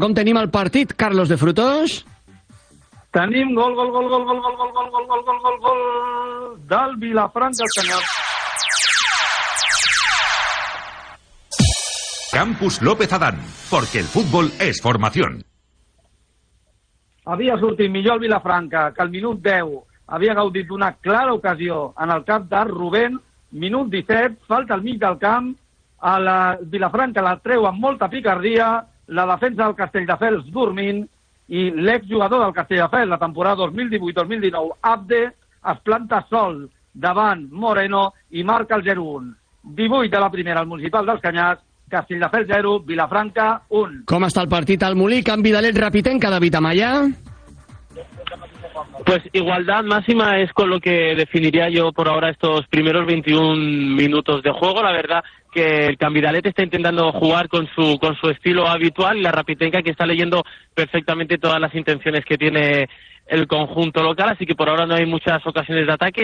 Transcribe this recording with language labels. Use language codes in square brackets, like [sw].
[ca] Com tenim el partit, Carlos de Frutos? Tenim gol, gol, gol, gol, gol, gol, gol, gol, gol, gol, gol, gol, gol del Vilafranca al Canyars. [es] Campus López Adán, porque el fútbol es formación. [ca] Havia sortit millor el Vilafranca, que al minut 10 havia gaudit d'una clara ocasió en el camp de Rubén. Minut 17, falta al mig del camp. El Vilafranca la treu amb molta picardia, la defensa del Castelldefels dormint, i l'exjugador del Castelldefels la temporada 2018-2019, Abde, es planta sol davant Moreno i marca el 0-1. 18 de la primera al Municipal dels Canyars, Castelldefels 0, Vilafranca 1. Com està el partit al Molí? Canvi de l'et rapitenca, David Amaya. [es] Pues igualdad máxima es con lo que definiría yo por ahora estos primeros 21 minutos de juego. La verdad que el Cambidalet está intentando jugar con su estilo habitual, y la Rapitenca que está leyendo perfectamente todas las intenciones que tiene el conjunto local, así que por ahora no hay muchas ocasiones de ataque.